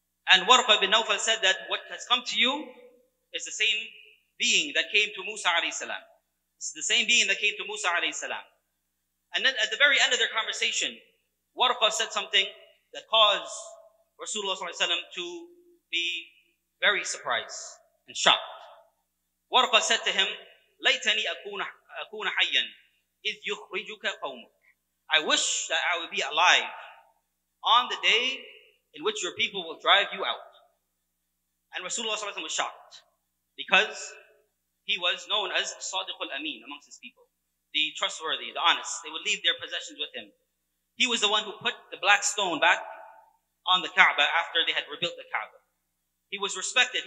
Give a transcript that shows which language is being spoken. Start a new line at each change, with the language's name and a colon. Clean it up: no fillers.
English: And Warqa ibn Nawfal said that what has come to you is the same being that came to Musa alayhi salam. It's the same being that came to Musa alayhi salam. And then at the very end of their conversation, Warqa said something that caused Rasulullah ﷺ to be very surprised and shocked. Warqa said to him,
Arabic: لَيْتَنِي أَكُونَ حَيًّا إِذْ يُخْرِجُكَ قَوْمُكَ.
English: I wish that I would be alive on the day in which your people will drive you out. And Rasulullah ﷺ was shocked because he was known as Sadiq al-Amin amongst his people, the trustworthy, the honest. They would leave their possessions with him. He was the one who put the black stone back on the Kaaba after they had rebuilt the Kaaba. He was respected.